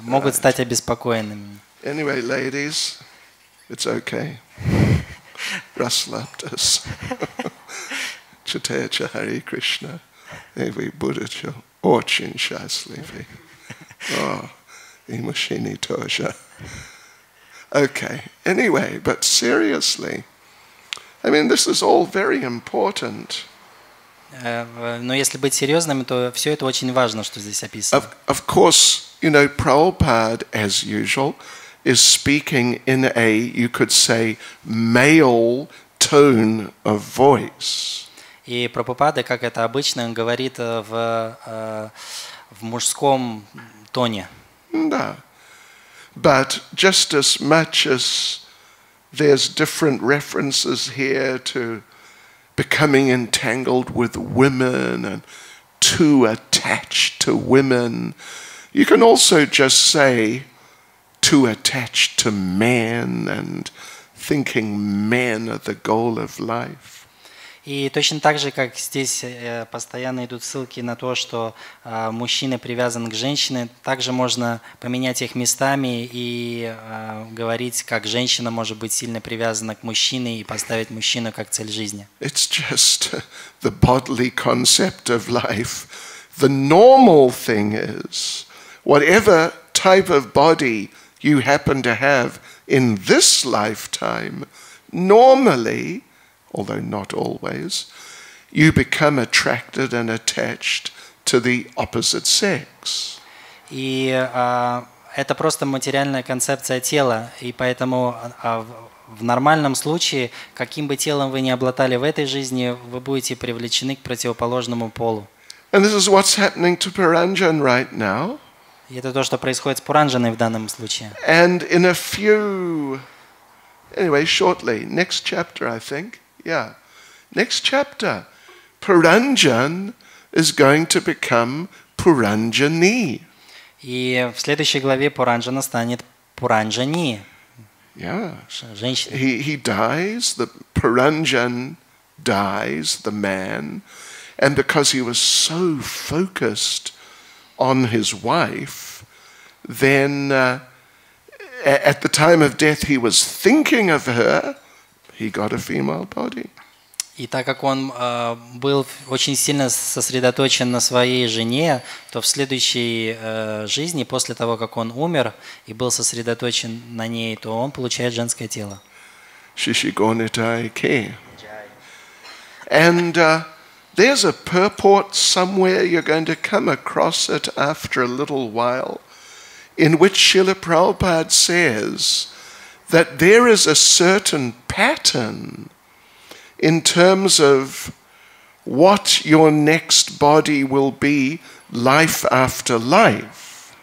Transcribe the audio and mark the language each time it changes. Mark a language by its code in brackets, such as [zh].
[ru] Могут стать обеспокоенными. [en] Anyway, ladies, it's okay. [ru] Расслабьтесь. Читая Чахари Кришна, и вы будете очень счастливы. И мужчины тоже. [en] Okay, anyway, but seriously, I mean, this is all very important. [ru] Но если быть серьезными, то все это очень важно, что здесь описано. [en] Of course, you know, Prabhupada, as usual, is speaking in a, you could say, male tone of voice. [ru] И Прабхупада, как это обычно, он говорит в мужском тоне. Да. [en] But just as much as there's different references here to becoming entangled with women and too attached to women, you can also just say too attached to men and thinking men are the goal of life. [ru] И точно так же, как здесь постоянно идут ссылки на то, что мужчина привязан к женщине, также можно поменять их местами и говорить, как женщина может быть сильно привязана к мужчине и поставить мужчину как цель жизни. [en] It's just the bodily concept of life. The normal thing is, whatever type of body you happen to have in this lifetime, normally, although not always, you become attracted and attached to the opposite sex. [ru] И это просто материальная концепция тела, и поэтому в нормальном случае, каким бы телом вы ни обладали в этой жизни, вы будете привлечены к противоположному полу. [en] And this is what's happening to Paranjan right now. [ru] И это то, что происходит с Паранджаной в данном случае. [en] And in a few, anyway, shortly, next chapter, I think. Yeah. Next chapter, Paranjan is going to become Puranjani. [ru] И в следующей главе Паранджана станет Пуранджани. [en] Yeah. [ru] Женщина. [en] He dies, the Paranjan dies, the man, and because he was so focused on his wife, then at the time of death he was thinking of her. He got a female body. [ru] И так как он был очень сильно сосредоточен на своей жене, то в следующей жизни, после того, как он умер и был сосредоточен на ней, то он получает женское тело. Шишигонитайке. [en] And there's a purport somewhere, you're going to come across it after a little while, in which Srila Prabhupada says that there is a certain pattern in terms of what your next body will be life after life.